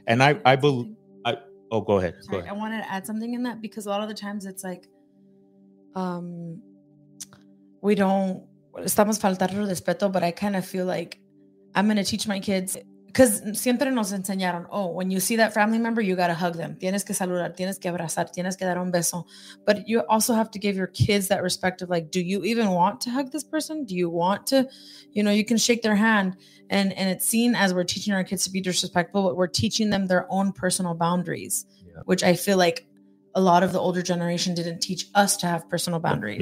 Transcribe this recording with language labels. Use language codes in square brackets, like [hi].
[en] And I believe. Go ahead. Sorry, go ahead. I wanted to add something in that because a lot of the times it's like, we don't. [es] Estamos faltando respeto, [en] but I kind of feel like I'm going to teach my kids because [es] siempre nos enseñaron, [en] oh, when you see that family member, you got to hug them. [es] Tienes que saludar, tienes que abrazar, tienes que dar un beso. [en] But you also have to give your kids that respect of like, do you even want to hug this person? Do you want to, you know, you can shake their hand. And it's seen as we're teaching our kids to be disrespectful, but we're teaching them their own personal boundaries, which I feel like a lot of the older generation didn't teach us to have personal boundaries.